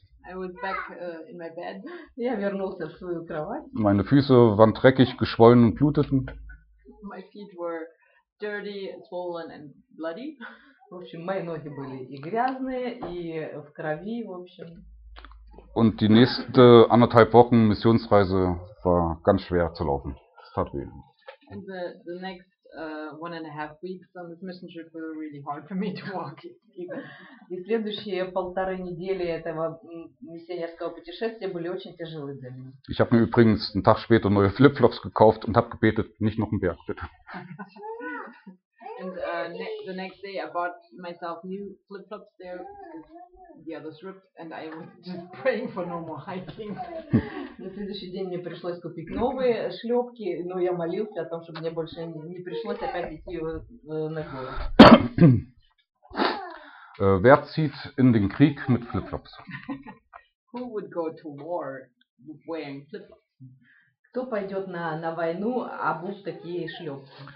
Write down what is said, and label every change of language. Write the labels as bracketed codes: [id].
[en] I was back in my bed. [ru] Я вернулся в свою кровать. [de] Meine Füße waren dreckig, geschwollen und bluteten. [en] My feet were dirty, swollen and bloody. [ru] В общем, мои ноги были и грязные, и в крови, в общем. [de] Und die nächste anderthalb Wochen Missionsreise war ganz schwer zu laufen. Das tat weh. [en] And the next one and a half weeks on this mission trip were really hard for me to walk. [ru] И следующие полторы недели этого миссионерского путешествия были очень тяжелы для меня. [de] Ich habe mir übrigens einen Tag später neue Flipflops gekauft und habe gebetet, nicht noch einen Berg, bitte. [en] And the next day I bought myself new flip-flops there, the others ripped, and I was just praying for no more hiking. [ru] На следующий день мне пришлось купить новые шлепки, но я молился о том, чтобы мне больше не пришлось опять идти на гору. [de] Wer zieht in den Krieg mit flip-flops? [en] Who would go to war wearing flip-flops? [ru] Кто пойдет на войну, обув такие шлепки?